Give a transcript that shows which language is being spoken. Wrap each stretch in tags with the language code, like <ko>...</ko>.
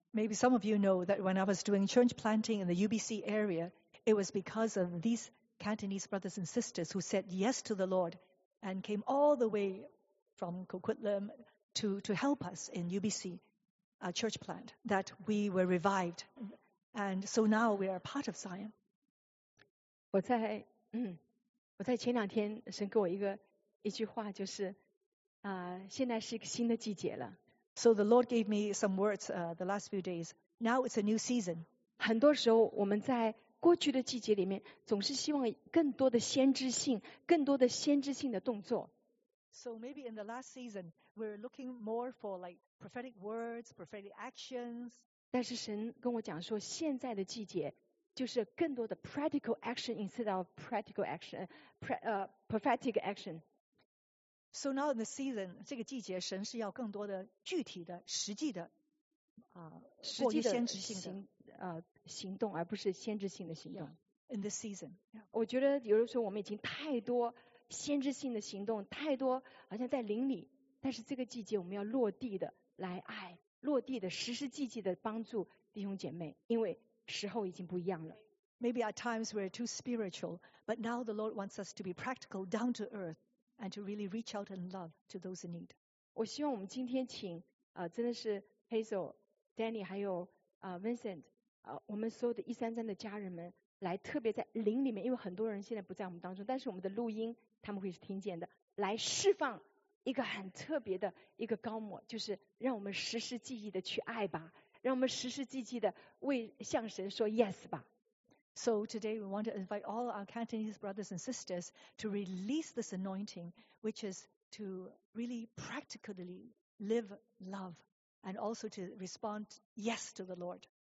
<en>Maybe some of you know that when I was doing church planting in the UBC area, it was because of these Cantonese brothers and sisters who said yes to the Lord and came all the way from Coquitlam to help us in UBC, a church plant, that we were revived. And so now we are part of Zion.</en> <zh>我在前两天神给我一句话就是现在是一个新的季节了。</zh> <en>So the Lord gave me some words the last few days. Now it's a new season.</en> <zh>很多时候我们在过去的季节里面总是希望更多的先知性，更多的先知性的动作。</zh> <en>So maybe in the last season, we're looking more for like prophetic words, prophetic actions.</en> <zh>但是神跟我讲说现在的季节就是更多的</zh> <en>practical action instead of practical action, prophetic action. So now in the season,</en> <zh>这个季节神是要更多的具体的实际的过于先知性的行动，而不是先知性的行动。</zh> <en>Yeah, in the season.、Yeah.</en> <zh>我觉得有的时候我们已经太多先知性的行动，太多好像在灵里，但是这个季节我们要落地的来爱，落地的实实际际的帮助弟兄姐妹，因为时候已经不一样了。</zh> <en>Maybe at times we're too spiritual, but now the Lord wants us to be practical down to earth. And to really reach out and love to those in need.</en> <zh>我希望我们今天请真的是 Hazel, Danny, 还有Vincent, 我们所有的一三三的家人们来特别在灵里面，因为很多人现在不在我们当中，但是我们的录音他们会是听见的，来释放一个很特别的一个高摩，就是让我们实实际际的去爱吧，让我们实实际际的为向神说 yes 吧。</zh> <en>So today we want to invite all our Cantonese brothers and sisters to release this anointing, which is to really practically live love and also to respond yes to the Lord.</en>